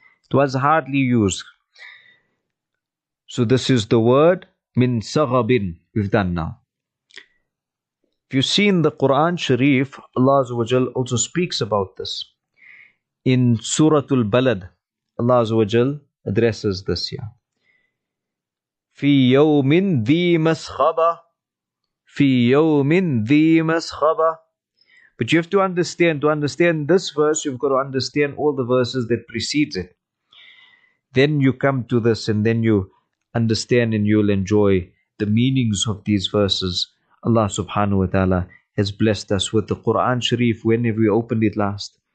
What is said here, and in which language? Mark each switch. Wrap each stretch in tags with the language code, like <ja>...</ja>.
<en>It was hardly used. So this is the word, min saghabin, we've done now. If you see in the Quran Sharif, Allah Azza wa Jal also speaks about this. In Suratul Balad, Allah Azza wa Jal addresses this here.</en> <ar>في يوم ذي مسخبة, في يوم ذي مسخبة.</ar> <en>But you have to understand this verse, you've got to understand all the verses that precedes it. Then you come to this and then you understand and you'll enjoy the meanings of these verses. Allah subhanahu wa ta'ala has blessed us with the Quran Sharif whenever we opened it last.</en>